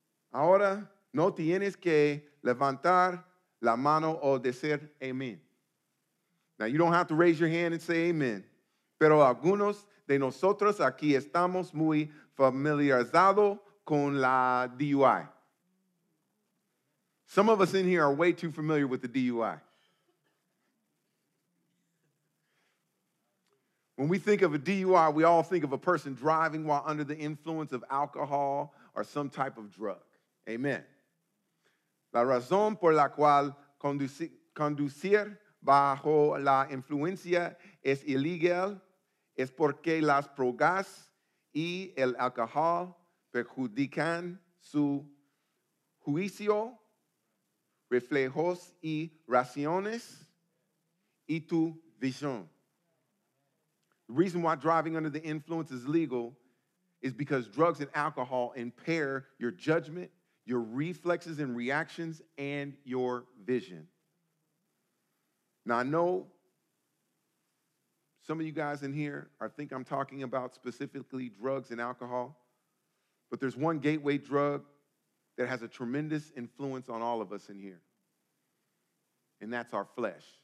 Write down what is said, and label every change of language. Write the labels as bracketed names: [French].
[Spanish] Ahora, no tienes que levantar la mano o decir amén. [English] Now, you don't have to raise your hand and say amen. [Spanish] Pero algunos de nosotros aquí estamos muy familiarizados con la DUI. [English] Some of us in here are way too familiar with the DUI. When we think of a DUI, we all think of a person driving while under the influence of alcohol or some type of drug. Amen. [Spanish] La razón por la cual conducir bajo la influencia es ilegal es porque las drogas y el alcohol perjudican su juicio, reflejos y raciones y tu visión. [English] The reason why driving under the influence is legal is because drugs and alcohol impair your judgment, your reflexes and reactions, and your vision. Now, I know some of you guys in here are think I'm talking about specifically drugs and alcohol, but there's one gateway drug that has a tremendous influence on all of us in here, and that's our flesh.